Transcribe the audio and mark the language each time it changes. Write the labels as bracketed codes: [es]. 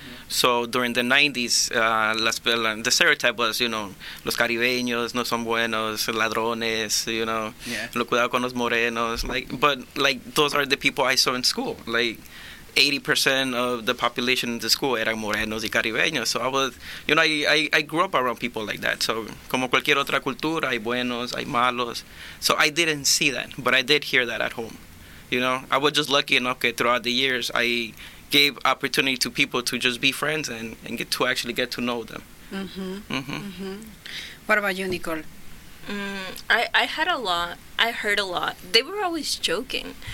[en] So during the 90s, the stereotype was, you know, los caribeños no son buenos, ladrones, you know, lo cuidado con los morenos. But those are the people I saw in school. Like 80% of the population in the school eran morenos y caribeños. So I was, you know, I grew up around people like that. [es] So como cualquier otra cultura, hay buenos, hay malos. [en] So I didn't see that, but I did hear that at home. You know, I was just lucky enough that throughout the years, I gave opportunity to people to just be friends and get to actually get to know them. Mm-hmm. What about you, Nicole? I had a lot. I heard a lot. They were always joking.